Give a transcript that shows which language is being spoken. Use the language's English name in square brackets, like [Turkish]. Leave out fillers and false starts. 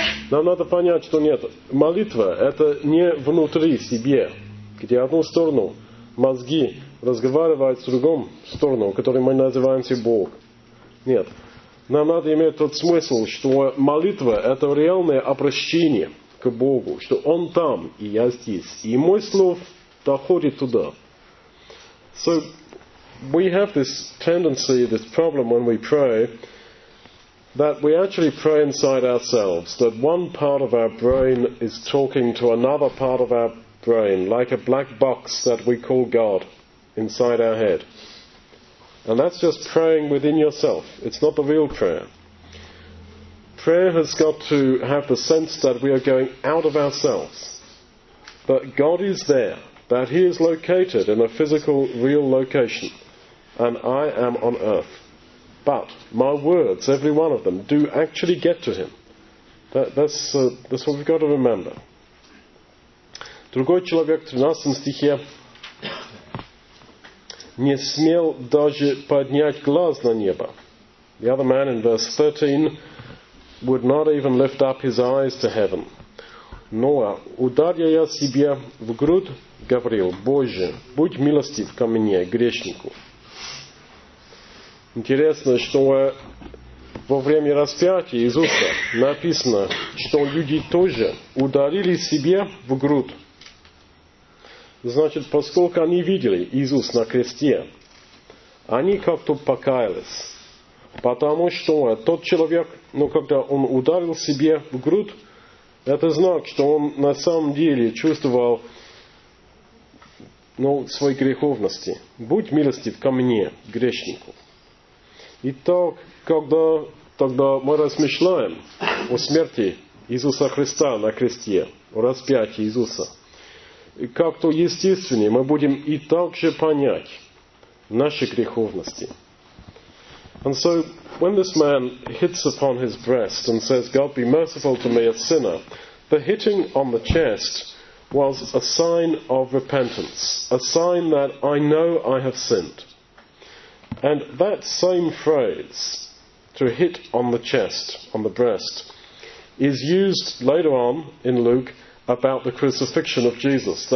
[Russian] Нам надо понять, что нет. Молитва – это не внутри себя, где одну сторону мозги разговаривают с другом сторону, которой мы называемся Бог. Нет. Нам надо иметь тот смысл, что молитва – это реальное обращение к Богу, что Он там, и я здесь. И мой слов доходит туда. [English] So, we have this tendency, this problem when we pray, that we actually pray inside ourselves, that one part of our brain is talking to another part of our brain, like a black box that we call God inside our head. And that's just praying within yourself. It's not the real prayer. Prayer has got to have the sense that we are going out of ourselves, that God is there, that He is located in a physical, real location, and I am on earth. But my words, every one of them, do actually get to him. That's what we've got to remember. [Russian] Другой человек, 13 стихе, не смел даже поднять глаз на небо. [English] The other man in verse 13 would not even lift up his eyes to heaven. [Russian] Но ударя я себе в грудь, говорил, Боже, будь милостив ко мне, грешнику. Интересно, что во время распятия Иисуса написано, что люди тоже ударили себе в грудь. Значит, поскольку они видели Иисуса на кресте, они как-то покаялись. Потому что тот человек, ну, когда он ударил себе в грудь, это знак, что он на самом деле чувствовал, ну, свои греховности. Будь милостив ко мне, грешнику. Итак, когда мы размышляем о смерти Иисуса Христа на кресте, о распятии Иисуса, как-то естественнее мы будем и так же понять наши греховности. [English] And so, when this man hits upon his breast and says, God be merciful to me, a sinner, the hitting on the chest was a sign of repentance, a sign that I know I have sinned. And that same phrase, to hit on the chest, on the breast, is used later on in Luke about the crucifixion of Jesus.